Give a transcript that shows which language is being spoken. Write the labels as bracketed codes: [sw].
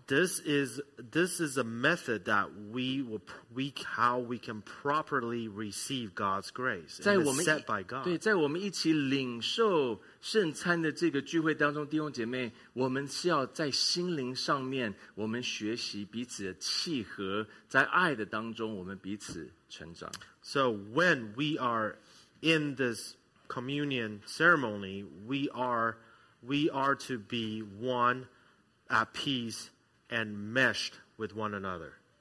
[en] This is a method that we can properly receive God's grace. [zh] 在我们 [en] set by God. [zh] 对，在我们一起领受圣餐的这个聚会当中，弟兄姐妹，我们是要在心灵上面，我们学习彼此的契合，在爱的当中，我们彼此成长。 [en] So when we are in this communion ceremony, we are to be one at peace and meshed with one another.